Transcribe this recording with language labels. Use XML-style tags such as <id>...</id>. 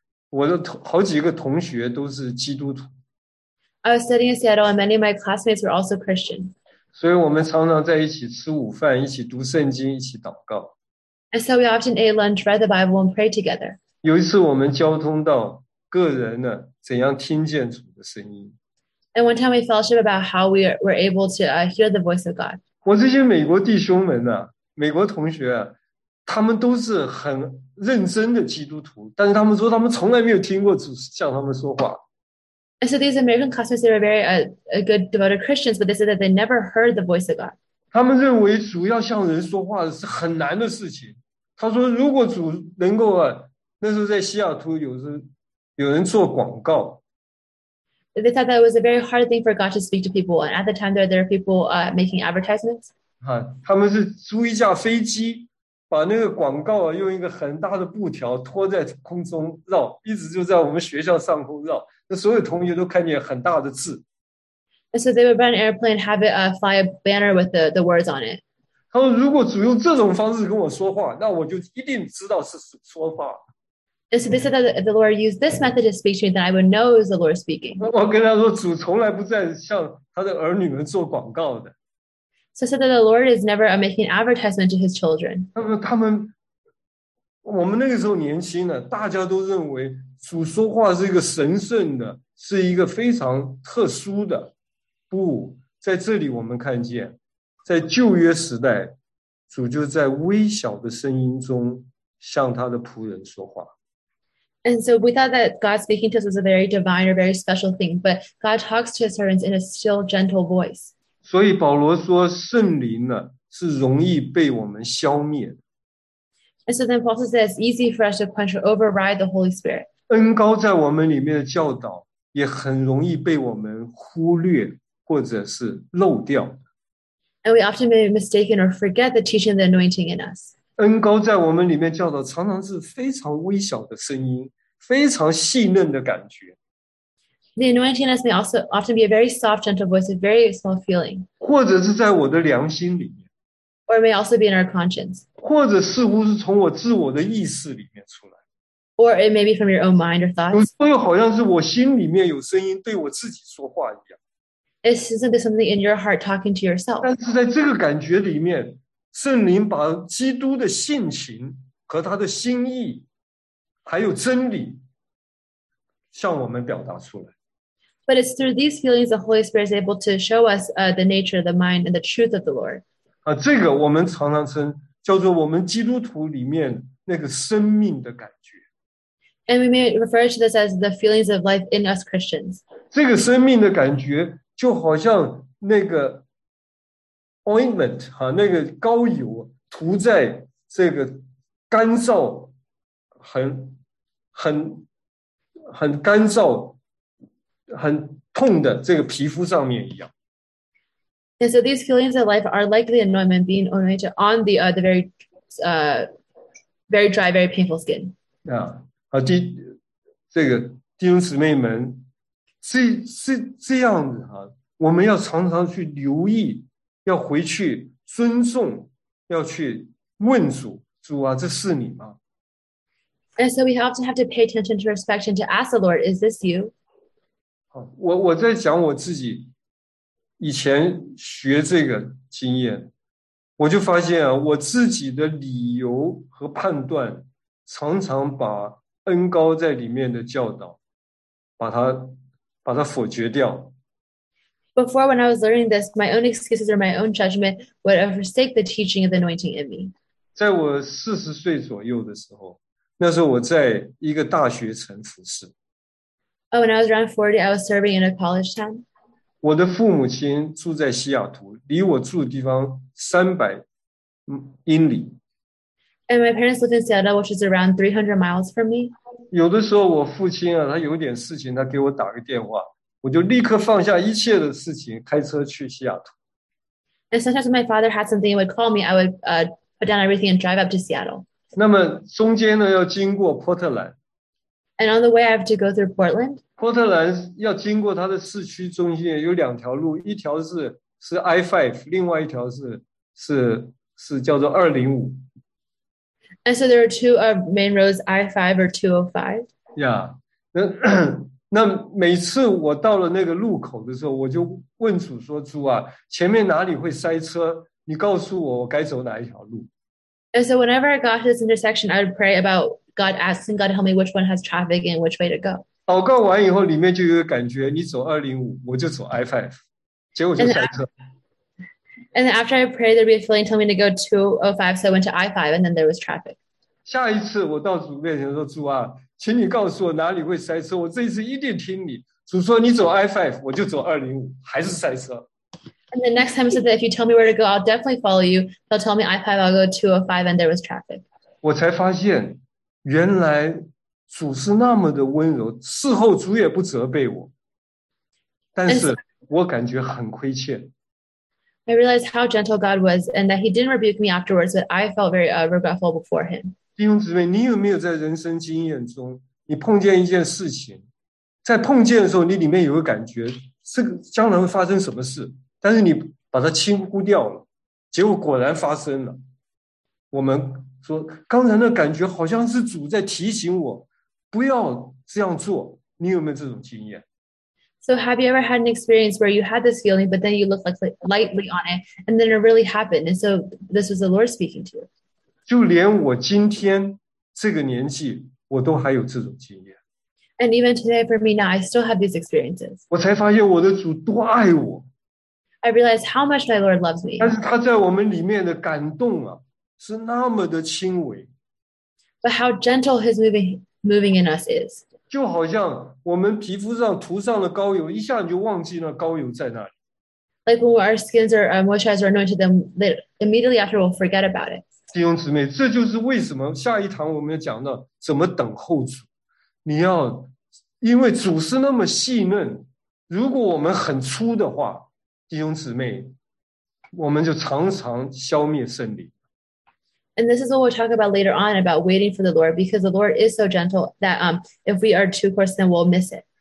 <zh>我的好几个同学都是基督徒。</zh> <en>I was studying in Seattle, and many of my classmates were also Christian.</en> <zh>所以我们常常在一起吃午饭，一起读圣经，一起祷告。</zh> <en>And so we often ate lunch, read the Bible, and pray together.</en> <zh>有一次我们交通到个人呢，怎样听见主的声音。</zh> <en>And one time we fellowship about how we were able to hear the voice of God.</en> <zh>我这些美国弟兄们呢，美国同学啊，他们都是很认真的基督徒，但是他们说他们从来没有听过主向他们说话。</zh> <en>And so these American classmates, they were very a good devoted Christians, but they said that they never heard the voice of God.</en> <zh>他们认为主要向人说话是很难的事情。他说如果主能够啊，那时候在西雅图有人做广告，</zh> <en>they thought that it was a very hard thing for God to speak to people. And at the time, there are people making advertisements.</en> <zh>啊，他们是租一架飞机，把那个广告用一个很大的布条拖在空中绕，一直就在我们学校上空绕。那所有同学都看见很大的字。</zh> <en>And so they would run an airplane, have it fly a banner with the words on it.</en> <zh>他说，如果主用这种方式跟我说话，那我就一定知道是说话。</zh> <en>And so they said that if the Lord used this method to speak to me, then I would know it was the Lord speaking.</en> <zh>我跟他说，主从来不在向他的儿女们做广告的。</zh> <en>So said that the Lord is never making advertisement to his children.</en> <zh>他们，我们那个时候年轻的，大家都认为主说话是一个神圣的，是一个非常特殊的。不，在这里我们看见，在旧约时代，主就在微小的声音中向他的仆人说话。</zh> <en>And so we thought that God speaking to us was a very divine or very special thing, but God talks to his servants in a still, gentle voice.</en> <zh>所以保罗说圣灵呢是容易被我们消灭的。</zh> <en>And so then Paul says it's easy for us to quench or override the Holy Spirit.</en> <zh>恩膏在我们里面的教导也很容易被我们忽略或者是漏掉。</zh> <en>And we often may be mistaken or forget the teaching of the anointing in us.</en> <zh>恩膏在我们里面教导常常是非常微小的声音，非常细嫩的感觉。</zh> <en>The anointing in us may also often be a very soft, gentle voice, a very small feeling.</en> <zh>或者是在我的良心里面。</zh> <en>Or it may also be in our conscience.</en> <zh>或者似乎是从我自我的意识里面出来。</zh> <en>Or it may be from your own mind or thoughts.</en> <zh>有时候好像是我心里面有声音对我自己说话一样。</zh> <en>Isn't there something in your heart talking to yourself?</en> <zh>但是在这个感觉里面，圣灵把基督的性情和他的心意，还有真理，向我们表达出来。</zh> <en>But it's through these feelings the Holy Spirit is able to show us the nature of the mind and the truth of the Lord.</en> <zh>这个我们常常称叫做我们基督徒里面那个生命的感觉。</zh> <en>And we may refer to this as the feelings of life in us Christians.</en> <zh>这个生命的感觉就好像那个 ointment, 那个膏油涂在这个干燥很干燥很痛的这个皮肤上面一样。</zh> <en>And so these feelings of life are like the anointment being anointed on the very, very dry, very painful skin.</en> <zh>这个弟兄姊妹们，是这样子哈，我们要常常去留意，要回去尊重，要去问主，主啊，这是你吗？</zh> <en>And so we often have to pay attention to respect and to ask the Lord, is this you?</en> <zh>我在讲我自己以前学这个经验，我就发现啊，我自己的理由和判断常常把恩膏在里面的教导把它否决掉。</zh> <en>Before when I was learning this, my own excuses or my own judgment would have forsake the teaching of the anointing in me.</en> <zh>在我40岁左右的时候，那时候我在一个大学城服侍。</zh> <en>Oh, when I was around 40, I was serving in a college town.</en> <zh>我的父母亲住在西雅图，离我住的地方300英里。</zh> <en>And my parents lived in Seattle, which is around 300 miles from me.</en> <zh>有的时候我父亲啊，他有点事情，他给我打个电话，我就立刻放下一切的事情，开车去西雅图。</zh> <en>And sometimes when my father had something, he would call me, I would put down everything and drive up to Seattle.</en> <zh>那么中间呢，要经过波特兰。</zh> <en>And on the way, I have to go through Portland.</en> <zh>波特兰要经过它的市区中心有两条路，一条是 I-5， 另外一条是叫做205。</zh> <en>And so there are two main roads, I-5 or 205. Yeah.</en> <zh>那每次我到了那个路口的时候，我就问主说：“主啊，前面哪里会塞车？你告诉我，我该走哪一条路？”</zh> <en>And so whenever I got to this intersection, I would pray about. God asking God to help me which one has traffic and which way to go.</en> <zh>祷告完以后，里面就有感觉，你走205，我就走 I-5，结果就塞车。</zh> <en>And after I prayed, there'd be a feeling telling me to go 205, so I went to I-5, and then there was traffic.</en> <zh>下一次我到主面前说，主啊，请你告诉我哪里会塞车，我这一次一定听你。主说你走 I-5，我就走205，还是塞车。</zh> <en>And the next time I said that if you tell me where to go, I'll definitely follow you. They'll tell me I-5, I'll go 205, and there was traffic.</en> <zh>我才发现。原来主是那么的温柔，事后主也不责备我。但是我感觉很亏欠。</zh> <en>I realized how gentle God was and that he didn't rebuke me afterwards, but I felt very regretful before him.</en> <zh>弟兄姊妹，你有没有在人生经验中，你碰见一件事情，在碰见的时候，你里面有个感觉，这个将来会发生什么事，但是你把它轻忽掉了，结果果然发生了。我们说，刚才的感觉好像是主在提醒我，不要这样做，你有没有这种经验？</zh> <en>So have you ever had an experience where you had this feeling, but then you looked like lightly on it, and then it really happened? And so this was the Lord speaking to you.</en> <zh>就连我今天这个年纪，我都还有这种经验。</zh> <en>And even today for me now, I still have these experiences.</en> <zh>我才发现我的主多爱我。</zh> <en>I realize how much my Lord loves me.</en> <zh>但是他在我们里面的感动啊，是那么的轻微。</zh> <en>But how gentle his moving in us is.</en> <zh>就好像我们皮肤上涂上了膏油，一下你就忘记了膏油在那里。</zh> <en>Like when our skins are moisturized or anointed, then immediately after we'll forget about it.</en> <zh>弟兄姊妹，这就是为什么下一堂我们要讲到怎么等候主。你要，因为主是那么细嫩，如果我们很粗的话，弟兄姊妹，我们就常常消灭圣灵。</zh> <en>And this is what we'll talk about later on, about waiting for the Lord, because the Lord is so gentle that if we are too coarse, then we'll miss it.</en>